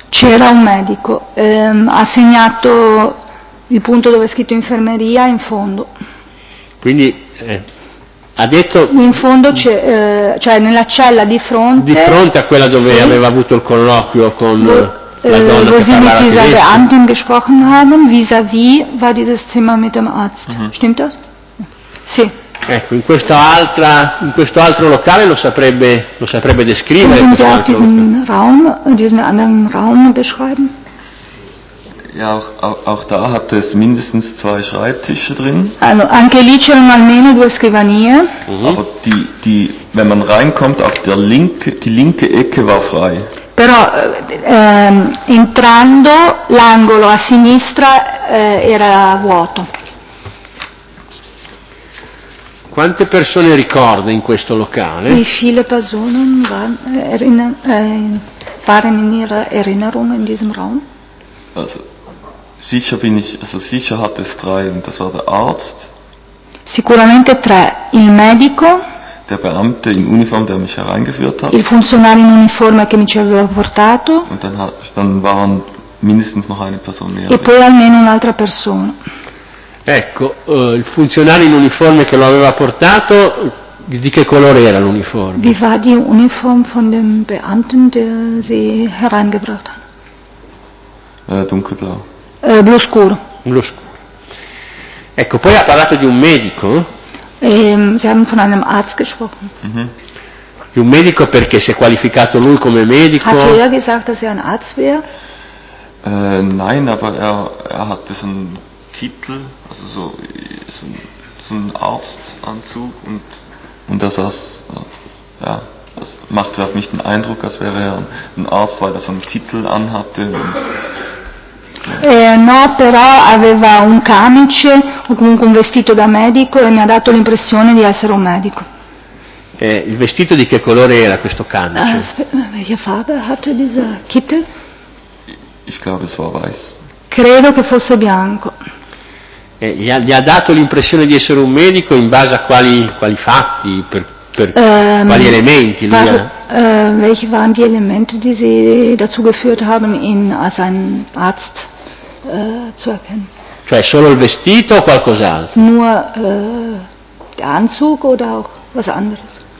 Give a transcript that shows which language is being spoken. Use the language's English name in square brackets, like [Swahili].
[Italian] C'era un medico, ha segnato il punto dove è scritto infermeria in fondo. Quindi ha detto in fondo cioè nella cella di fronte. Di fronte a quella dove sì. Aveva avuto il colloquio con la donna che parlava tedesco. [German] Wo sie mit dieser Beamtin gesprochen haben, vis-à-vis war dieses Zimmer mit dem Arzt. Mm-hmm. Stimmt das? [Italian] Sì. Ecco, in questo altro locale lo saprebbe descrivere. [German] Können Sie auch diesen Raum, diesen anderen Raum beschreiben? Ja, auch da hat es mindestens zwei Schreibtische drin. [Italian] Also, anche lì c'erano almeno due scrivanie. Mhm. [German] Aber die, wenn man reinkommt, auf der linke, die linke Ecke war frei. [Italian] Però, entrando, l'angolo a sinistra era vuoto. Quante persone ricorda in questo locale? [German] Wie viele Personen waren in ihrer Erinnerung in diesem Raum? Also sicher bin ich, also sicher hat es drei und das war der Arzt. [Italian] Sicuramente tre, il medico. [German] Der Beamte in Uniform, der mich hereingeführt hat. [Italian] Il funzionario in uniforme che mi ci aveva portato. [German] Und dann waren mindestens noch eine Person mehr. [Italian] E poi almeno un'altra persona. Ecco, il funzionario in uniforme che lo aveva portato, di che colore era l'uniforme? [German] Wie war die Uniform von dem Beamten, der sie hereingebracht hat? Dunkelblau. [Italian] Blu scuro. Blu scuro. Ecco, poi ha parlato di un medico. [German] Sie haben von einem Arzt gesprochen. Mm-hmm. [Italian] Di un medico perché si è qualificato lui come medico? [German] Hat er gesagt, dass er ein Arzt wäre? Nein, aber er hatte so ein Kittel, also so ein Arztanzug und das saß, ja, das machte auf mich den Eindruck, als wäre er ein Arzt, weil er so ein Kittel anhatte. Und, ja. [Italian] No, però aveva un camice o comunque un vestito da medico e mi ha dato l'impressione di essere un medico. Il vestito di che colore era questo camice? [German] Welche Farbe hatte dieser Kittel? Ich glaube, es war weiß. [Italian] Credo che fosse bianco. Gli ha dato l'impressione di essere un medico in base a quali fatti, per quali elementi? [German] Welche waren die Elemente, die sie dazu geführt haben, ihn als einen Arzt zu erkennen? [Italian] Cioè solo il vestito o qualcos'altro? [German] Nur der Anzug oder auch was anderes?